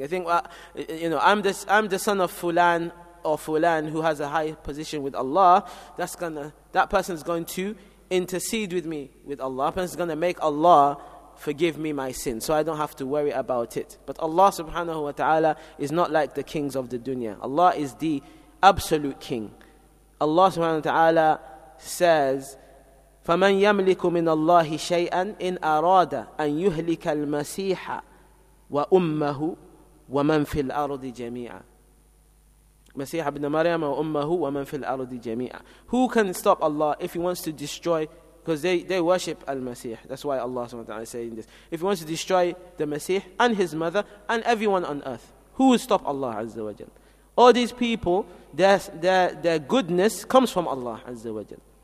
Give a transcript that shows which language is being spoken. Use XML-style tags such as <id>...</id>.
<en>They think, well, you know, I'm the son of Fulan or Fulan who has a high position with Allah. That person is going to intercede with me with Allah. That person is going to make Allah forgive me my sin, so I don't have to worry about it. But Allah subhanahu wa ta'ala is not like the kings of the dunya. Allah is the absolute king. Allah subhanahu wa ta'ala says,</en> <ar>فَمَنْ يَمْلِكُ مِنَ اللَّهِ شَيْئًا إِنْ أَرَادَ أَنْ يُهْلِكَ الْمَسِيحَ وَأُمَّهُ وَمَنْ فِي الْأَرْضِ جَمِيعًا. Masih ibn Maryam wa ummahu wa man fil ardi jami'a.</ar> <en>Who can stop Allah if he wants to destroy? Because they worship al-Masih. That's why Allah subhanahu wa ta'ala is saying this. If he wants to destroy the Masih and his mother and everyone on earth, who will stop Allah azza wa jal? All these people, their goodness comes from Allah azza wa jal.</en>